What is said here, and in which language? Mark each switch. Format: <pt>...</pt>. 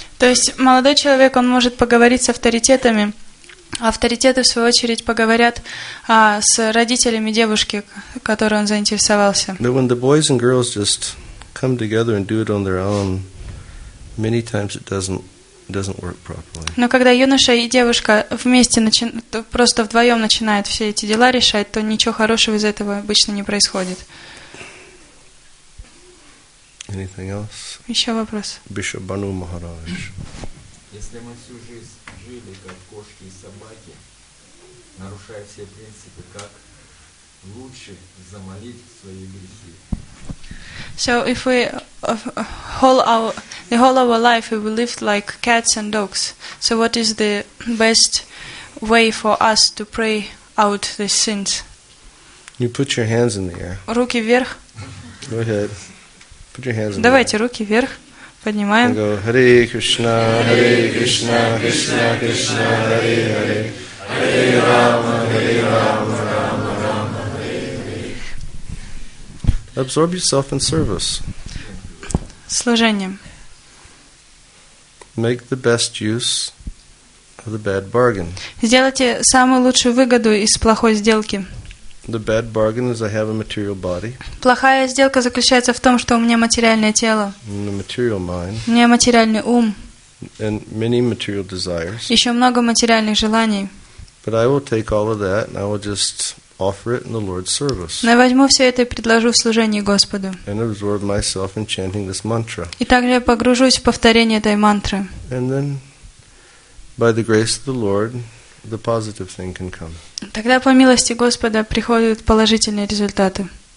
<ru>То есть молодой человек, он может поговорить с авторитетами, авторитеты в свою очередь поговорят с родителями девушки, которой он заинтересовался.</ru> <en>But when the boys and girls just come together and do it on their own, many times it doesn't work properly.</en> <ru>Но когда юноша и девушка вместе просто вдвоем начинают все эти дела решать, то ничего хорошего из этого обычно не происходит.</ru> <en>Anything else?</en> <ru>Еще вопрос.</ru> <en>Bishop Banu Maharaj.</en> <ru>Если мы всю жизнь жили как кошки и собаки, нарушая все принципы, как лучше замолить свои грехи?</ru> <en>So if we the whole of our life we lived like cats and dogs, so what is the best way for us to pray out the sins? You put your hands in the air.</en> <ru>Руки вверх.</ru> <en>Go ahead. Put your hands in.</en> <ru>Давайте руки вверх. Поднимаем.</ru> <sa>Go, Hare Krishna, Hare Krishna, Krishna Krishna, Hare Hare, Hare Rama, Hare Rama, Rama Rama, Hare Hare.</sa> <en>Absorb yourself in service.</en> <ru>Служением.</ru> <en>Make the best use of the bad bargain.</en> <ru>Сделайте самую лучшую выгоду из плохой сделки.</ru> <en>The bad bargain is I have a material body.</en> <ru>Плохая сделка заключается в том, что у меня материальное тело.</ru> <en>And a material mind.</en> <ru>У меня материальный ум.</ru> <en>And many material desires.</en> <ru>Еще много материальных желаний.</ru> <en>But I will take all of that and I will just offer it in the Lord's service.</en> <ru>Но я возьму все это и предложу в служении Господу.</ru> <en>And absorb myself in chanting this mantra.</en> <ru>И также я погружусь в повторение этой мантры.</ru> <en>And then, by the grace of the Lord, the positive thing can come.</en> <ru>Тогда по милости Господа приходят положительные результаты.</ru>